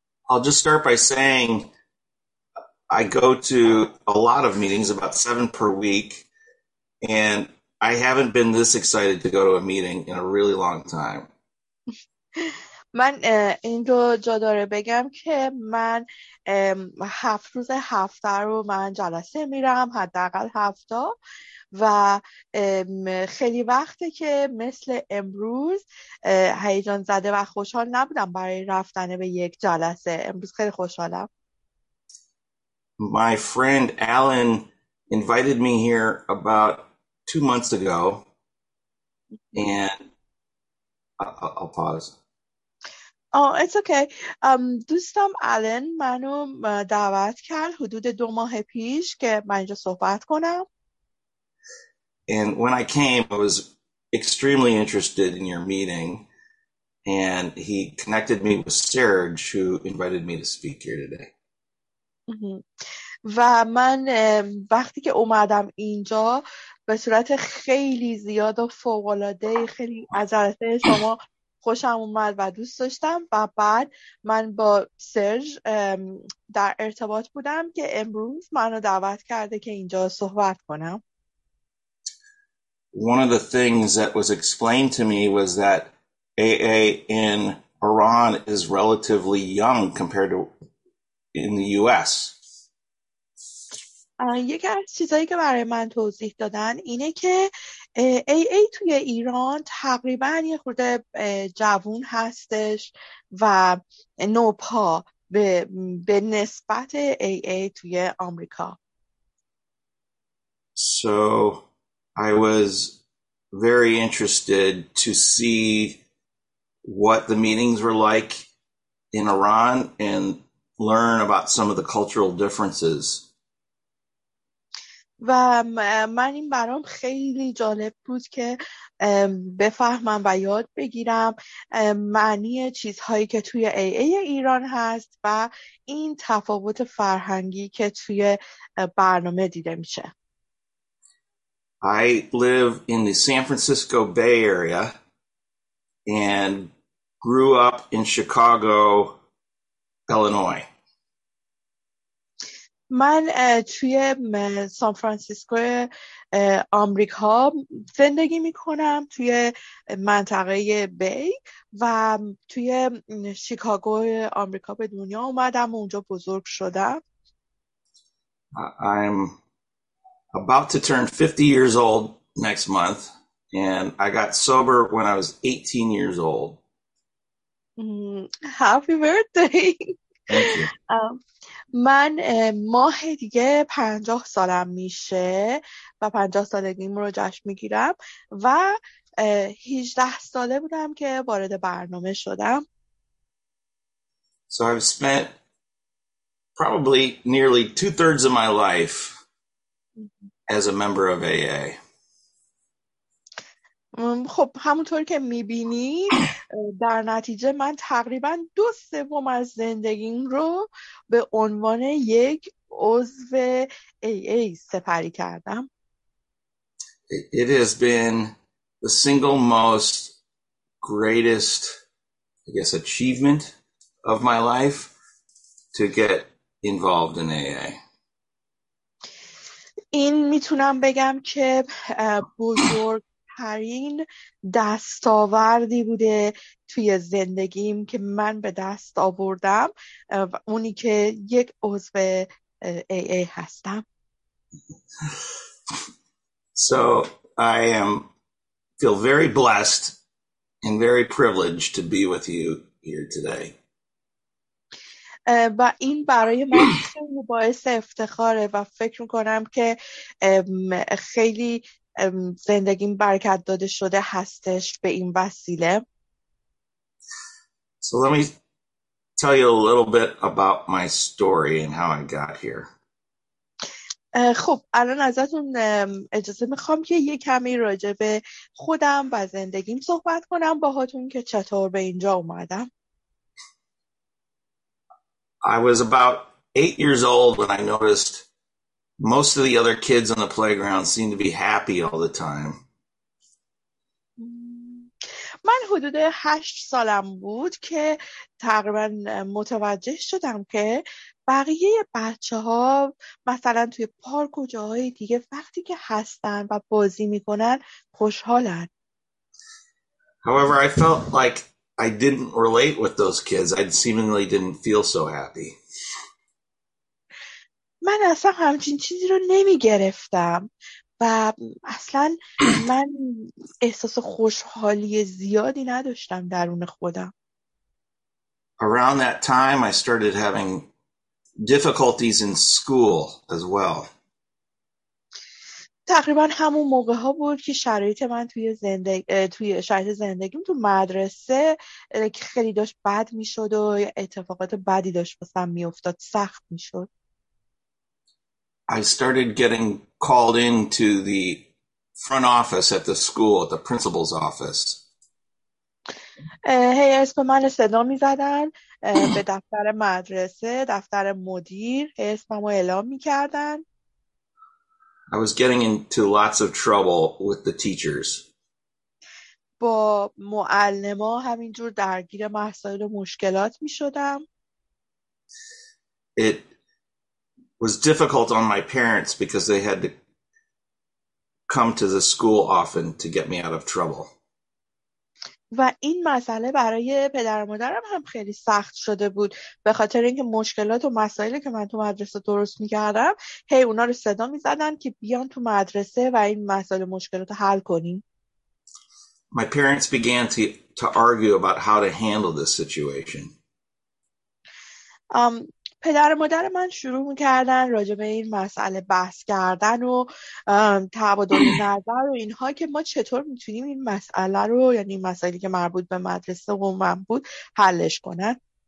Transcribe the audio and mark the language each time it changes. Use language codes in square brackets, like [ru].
[en] I'll just start by saying I go to a lot of meetings, about seven per week, and I haven't been this excited to go to a meeting in a really long time. [fa] من این رو جا داره بگم که من 7 روز هفته رو من جلسه میرم، حداقل 7 تا، و خیلی وقته که مثل امروز هیجان زده و خوشحال نبودم برای رفتن به یک جلسه. امروز خیلی خوشحالم. [en] My friend Alan invited me here about 2 months ago, and I'll pause. Oh, it's okay. [fa] دوستم آلن منو دعوت کرد حدود 2 ماه پیش که من اینجا صحبت کنم. [en] And when I came, I was extremely interested in your meeting, and he connected me with Serge, who invited me to speak here today. [fa] و من وقتی که اومدم اینجا به صورت خیلی زیاد و فوق‌العاده خیلی از جلسه شما خوشم اومد و دوست داشتم، و بعد من با سرژ در ارتباط بودم که امروز منو دعوت کرده که اینجا صحبت کنم. [en] One of the things that was explained to me was that AA in Iran is relatively young compared to in the US. [fa] یکی از چیزایی که برای من توضیح دادن اینه که AA توی ایران تقریبا یه خورده جوون هستش و نوپا به نسبت AA توی آمریکا. [en] So I was very interested to see what the meetings were like in Iran and learn about some of the cultural differences. [fa] و من این برام خیلی جالب بود که بفهمم و یاد بگیرم معنی چیزهایی که توی AA ایران هست و این تفاوت فرهنگی که توی برنامه دیده میشه. [en] I live in the San Francisco Bay Area and grew up in Chicago, Illinois. [fa] من توی سان فرانسیسکو آمریکا زندگی می کنم، توی منطقه بی، و توی شیکاگو آمریکا به دنیا اومدم و اونجا بزرگ شدم. [en] I'm about to turn 50 years old next month, and I got sober when I was 18 years old. Happy birthday. Thank you. [fa] من ماه دیگه 50 سالم میشه و 50 سالگیم رو جشن میگیرم و 18 ساله بودم که وارد برنامه شدم. [en] So I've spent probably nearly two-thirds of my life as a member of AA. [fa] خب همونطور که میبینی در نتیجه من تقریبا 2/3 از زندگیم رو به عنوان یک عضو AA سپری کردم. [en] It has been the single most greatest, I guess, achievement of my life to get involved in AA. [fa] این میتونم بگم که بزرگترین دستاوردی بوده توی زندگیم که من به دست آوردم، اونی که یک عضو AA هستم. [en] So I am feel very blessed and very privileged to be with you here today. [fa] و این برای من خیلی باعث افتخاره و فکر میکنم که خیلی زندگیم برکت داده شده هستش به این وسیله. [en] So let me tell you a little bit about my story and how I got here. [fa] خب الان ازتون اجازه میخوام که یه کمی راجع به خودم و زندگیم صحبت کنم باهاتون که چطور به اینجا اومدم. [en] I was about 8 years old when I noticed most of the other kids on the playground seemed to be happy all the time. [fa] من حدود 8 سالم بود که تقریبا متوجه شدم که بقیه بچه ها مثلا توی پارک و جاهای دیگه وقتی که هستن و بازی میکنن خوشحالن. [en] However, I felt like I didn't relate with those kids. I seemingly didn't feel so happy. [fa] من اصلا همچین چیزی رو نمی گرفتم و اصلا من احساس خوشحالی زیادی نداشتم درون خودم. [en] Around that time, I started having difficulties in school as well. [fa] تقریبا همون موقع ها بود که شرایط من توی شرایط زندگیم تو مدرسه خیلی داشت بد می شد و اتفاقات بدی داشت واسم می افتاد، سخت می شد. [en] I started getting called into the front office at the school, at the principal's office. [fa] هی اسم من صدا می زدن به دفتر مدرسه، دفتر مدیر، هی اسمم رو اعلام می کردن. [en] I was getting into lots of trouble with the teachers. [fa] با معلما همینجور درگیر مسائل و مشکلات می شدم. [en] It was difficult on my parents because they had to come to the school often to get me out of trouble. [fa] و این مسئله برای پدر و مادرم هم خیلی سخت شده بود به خاطر اینکه مشکلات و مسائلی که من تو مدرسه درست می‌کردم هی اونا رو صدا می‌زدن که بیان تو مدرسه و این مسائل و مشکلات رو حل کنیم. [en] My parents began to argue about how to handle this situation. [fa] پدر و مادر من شروع میکردن راجع به این مسئله بحث کردن و تبادل نظر و اینها که ما چطور میتونیم این مسئله رو، یعنی مسئله که مربوط به مدرسه و من بود، حلش کنن.